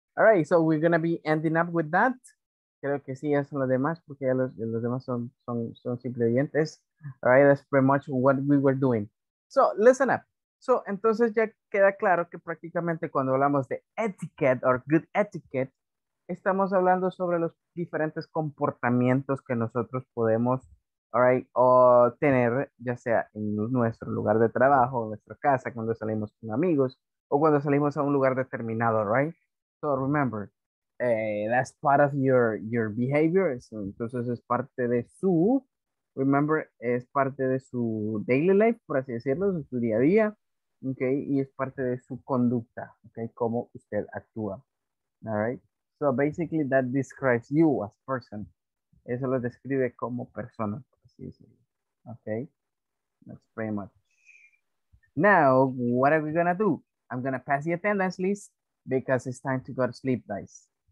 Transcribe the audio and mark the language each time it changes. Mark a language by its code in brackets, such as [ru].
[en] All right, so we're going to be ending up with that. [es] Creo que sí, ya son los demás, porque ya los demás son simple oyentes. [en] All right, that's pretty much what we were doing. So, listen up. [es] So, entonces ya queda claro que prácticamente cuando hablamos de [en] etiquette or good etiquette, [es] estamos hablando sobre los diferentes comportamientos que nosotros podemos, all right, o tener, ya sea en nuestro lugar de trabajo, en nuestra casa, cuando salimos con amigos, o cuando salimos a un lugar determinado, right? [en] So, remember, that's part of your behavior. [es] So, entonces, es parte de su, remember, es parte de su [en] daily life, [es] por así decirlo, de su día a día. Okay, y es parte de su conducta, okay, cómo usted actúa. [en] All right, so basically that describes you as a person. [es] Eso lo describe como persona. [en] Okay, that's pretty much. Now, what are we gonna do? I'm gonna pass the attendance list because it's time to go to sleep, guys.